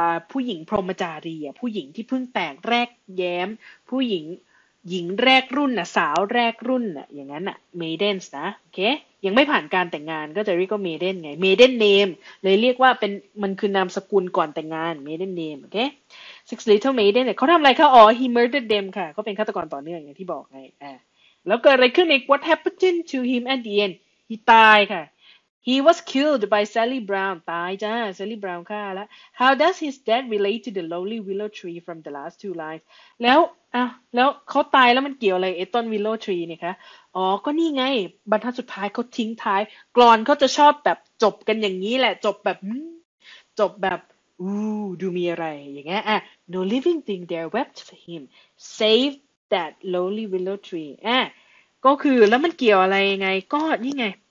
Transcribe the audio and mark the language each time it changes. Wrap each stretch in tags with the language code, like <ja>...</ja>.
<th>ผู้หญิงพรหมจารีผู้หญิงที่เพิ่งแตกแรกแย้มผู้หญิงหญิงแรกรุ่นนะสาวแรกรุ่นนะอย่างนั้นนะ maidens นะโอเคยังไม่ผ่านการแต่งงานก็จะเรียกว่า maiden ไง maiden name เลยเรียกว่าเป็นมันคือนามสกุลก่อนแต่งงาน maiden name โอเค</th> <en>six little maiden</en> <th>เนี่ยเขาทำอะไรคะอ๋อ</th> <en>he murdered them</en> <th>ค่ะเขาเป็นฆาตกรต่อเนื่องอย่างที่บอกไงแล้วเกิดอะไรขึ้นอีก</th> <en>what happened to him at the end he</en> <th>ตายค่ะ</th> <en>He was killed by Sally Brown.</en> <th>ตายจ้า</th> <en>Sally Brown</en> <th>ฆ่าแล้ว</th> <en>How does his death relate to the lowly willow tree from the last two lines?</en> <th>แล้วอ่ะแล้วเขาตายแล้วมันเกี่ยวอะไรไอ้ต้น willow tree เนี่ยคะอ๋อก็นี่ไงบรรทัดสุดท้ายเขาทิ้งท้ายกลอนเขาจะชอบแบบจบกันอย่างนี้แหละจบแบบอู้ดูมีอะไรอย่างเงี้ยอ่ะ</th> <en>No living thing there wept for him save that lowly willow tree</en> <th>อ่ะก็คือแล้วมันเกี่ยวอะไรยังไงก็นี่ไง</th>